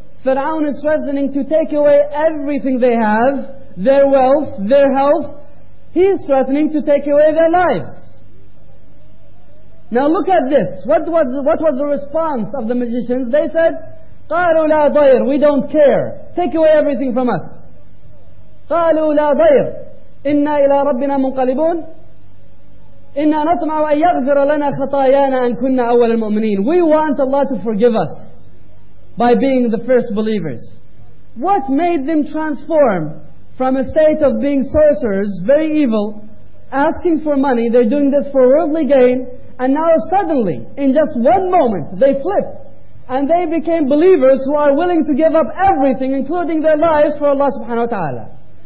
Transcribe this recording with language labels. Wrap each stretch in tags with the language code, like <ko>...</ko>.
<en>Fir'aun is threatening to take away everything they have, their wealth, their health. He is threatening to take away their lives. Now look at this. What was the response of the magicians? They said,</en> <ar>قالوا لا ضير,</ar> <en>we don't care, take away everything from us.</en> <ar>قالوا لا ضير إنا إلى ربنا منقلبون إنا نطمع أن يغفر لنا خطايانا أن كنا أول المؤمنين.</ar> <en>We want Allah to forgive us by being the first believers. What made them transform from a state of being sorcerers, very evil, asking for money, they're doing this for worldly gain, and now suddenly, in just one moment, they flipped and they became believers who are willing to give up everything, including their lives, for Allah subhanahu wa ta'ala.</en>